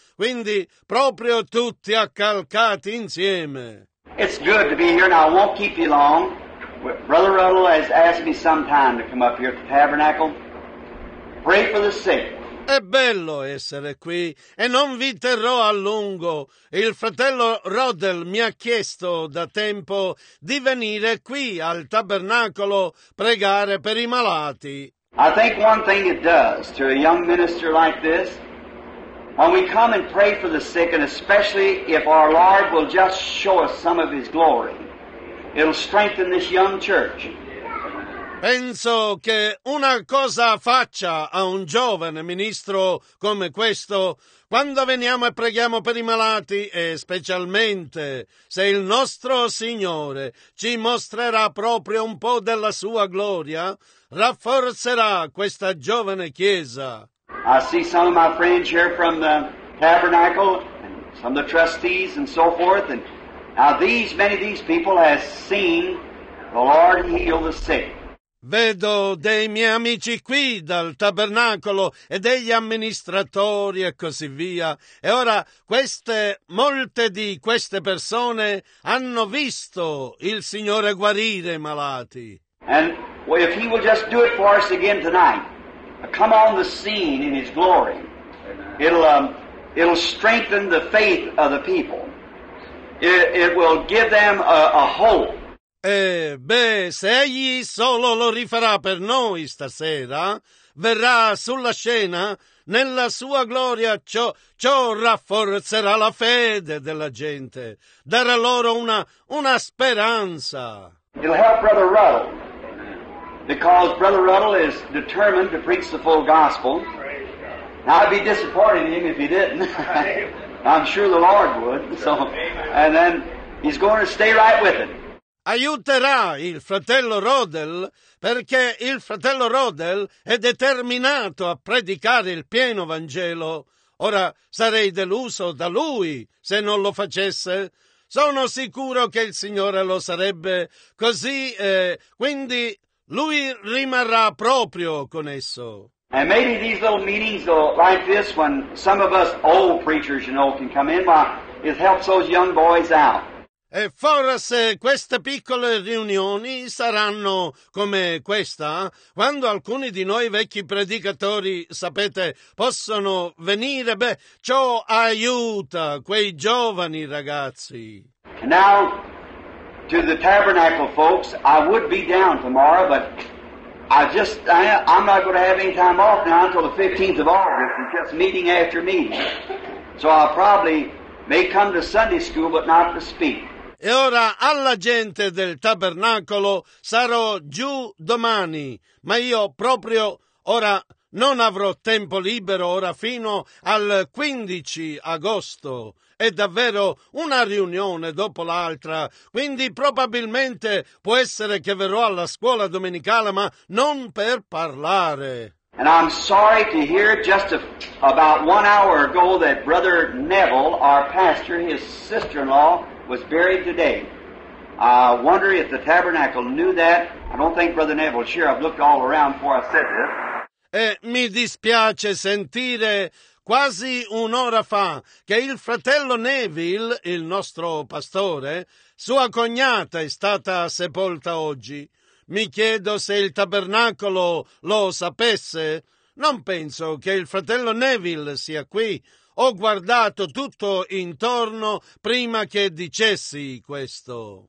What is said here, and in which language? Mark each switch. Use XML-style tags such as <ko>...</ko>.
<it>Quindi proprio tutti accalcati insieme.</it> <en>It's good to be here and I won't keep you long. Brother Ruddle has asked me sometime to come up here at the tabernacle. Pray for the sick.</en> <it>È bello essere qui e non vi terrò a lungo. Il fratello Rodel mi ha chiesto da tempo di venire qui al tabernacolo pregare per i malati.</it> <en>I think one thing it does to a young minister like this, when we come and pray for the sick, and especially if our Lord will just show us some of His glory, it'll strengthen this young church.</en> <it>Penso che una cosa faccia a un giovane ministro come questo, quando veniamo e preghiamo per i malati, e specialmente se il nostro Signore ci mostrerà proprio un po' della sua gloria, rafforzerà questa giovane chiesa.</it> <en>I see some of my friends here from the tabernacle, and some of the trustees and so forth, and now these, many of these people have seen the Lord heal the sick.</en> <it>Vedo dei miei amici qui dal tabernacolo e degli amministratori e così via. E ora molte di queste persone hanno visto il Signore guarire i malati.</it> <en>And if He will just do it for us again tonight, come on the scene in His glory, it'll strengthen the faith of the people. It will give them a hope.</en> <it>Beh, se egli solo lo rifarà per noi stasera, verrà sulla scena, nella sua gloria ciò rafforzerà la fede della gente, darà loro una speranza.</it> <en>It'll help Brother Ruddle, because Brother Ruddle is determined to preach the full gospel. I'd be disappointed in him if he didn't. I'm sure the Lord would. So, and then he's going to stay right with it.</en> <it>Aiuterà il fratello Rodel, perché il fratello Rodel è determinato a predicare il pieno Vangelo. Ora sarei deluso da lui se non lo facesse. Sono sicuro che il Signore lo sarebbe così, quindi lui rimarrà proprio con esso.</it> <en>And maybe these little meetings like this, when some of us old preachers, you know, can come in, it helps those young boys out.</en> <it>E forse queste piccole riunioni saranno come questa, quando alcuni di noi vecchi predicatori, sapete, possono venire, beh, ciò aiuta quei giovani ragazzi.</it> <en>Now, to the tabernacle folks, I would be down tomorrow, but I'm not going to have any time off now until the 15th of August, it's just meeting after meeting. So I probably may come to Sunday school, but not to speak.</en> <it>E ora alla gente del tabernacolo sarò giù domani, ma io proprio ora non avrò tempo libero ora fino al 15 agosto. È davvero una riunione dopo l'altra, quindi probabilmente può essere che verrò alla scuola domenicale, ma non per parlare.</it> <en>And I'm sorry to hear just about 1 hour ago that Brother Neville, our pastor, his sister-in-law, was buried today. I wonder if the tabernacle knew that. I don't think Brother Neville is here. I've looked all around before I said this.</en> <it>Mi dispiace sentire quasi un'ora fa che il fratello Neville, il nostro pastore, sua cognata è stata sepolta oggi. Mi chiedo se il tabernacolo lo sapesse. Non penso che il fratello Neville sia qui. Ho guardato tutto intorno prima che dicessi questo.</it>